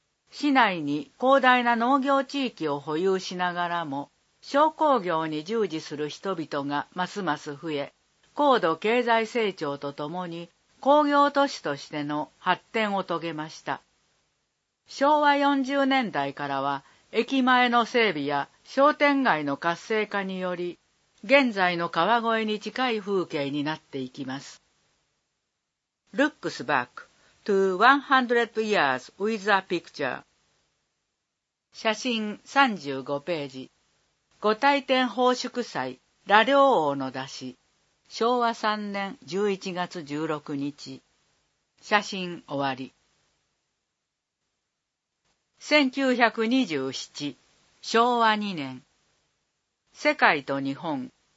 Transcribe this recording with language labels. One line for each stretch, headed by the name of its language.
Japanese: 市内に広大な農業地域を保有しながらも、商工業に従事する人々がますます増え、高度経済成長とともに工業都市としての発展を遂げました。昭和40年代からは、駅前の整備や商店街の活性化により、現在の川越に近い風景になっていきます。
English: Looks back to 100 years with a picture.
Japanese: 写真35ページ。御大典奉祝祭、羅良王の出し。昭和3年11月16日。写真終わり。 1927、昭和2年。世界と日本。